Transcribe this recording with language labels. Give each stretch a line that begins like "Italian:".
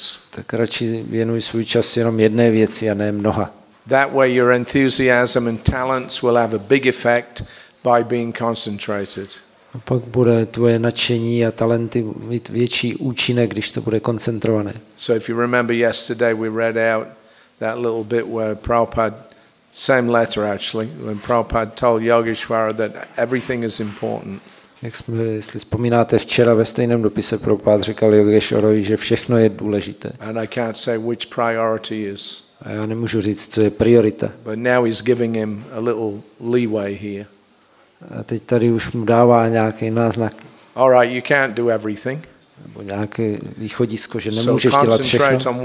Czech: Tak radši věnuj svůj čas jenom jedné věci a ne mnoha.
English: That way your enthusiasm and talents will have a big effect by being concentrated.
Czech: A pak bude tvoje nadšení a talenty mít větší účinek, když to bude koncentrované.
English: So if you remember yesterday we read out that little bit where Prabhupada, same letter actually, when Prabhupada told Yogeshwara that everything is important.
Czech: Jak jsme, jestli vzpomínáte, včera ve stejném dopise Prabhupada říkal Yogeshwarovi, že všechno je důležité.
English: And I can't say which priority is.
Czech: A já nemůžu říct, co je priorita.
English: But now he's giving him a little leeway here.
Czech: A teď tady už mu dává nějaký náznak.
English: All right, you can't do everything.
Czech: Nebo nějaké východisko, že nemůžeš dělat všechno.